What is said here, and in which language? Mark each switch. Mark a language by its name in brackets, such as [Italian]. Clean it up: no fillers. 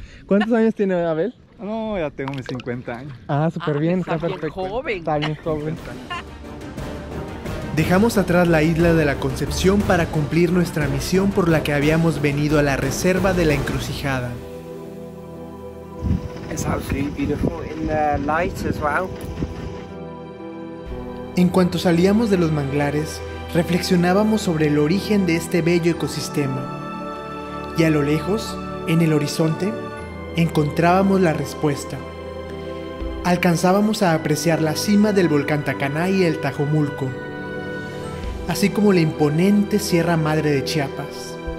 [Spanish] ¿Cuántos años tiene Abel? No, ya tengo mis 50 años. Ah, súper bien, está perfecto. Joven. Está bien, joven. Dejamos atrás la isla de la Concepción para cumplir nuestra misión por la que habíamos venido a la reserva de la Encrucijada. [English] It's absolutely beautiful in the light as well. [Spanish] En cuanto salíamos de los manglares, reflexionábamos sobre el origen de este bello ecosistema. Y a lo lejos, en el horizonte, encontrábamos la respuesta. Alcanzábamos a apreciar la cima del volcán Tacaná y el Tajomulco, así como la imponente Sierra Madre de Chiapas.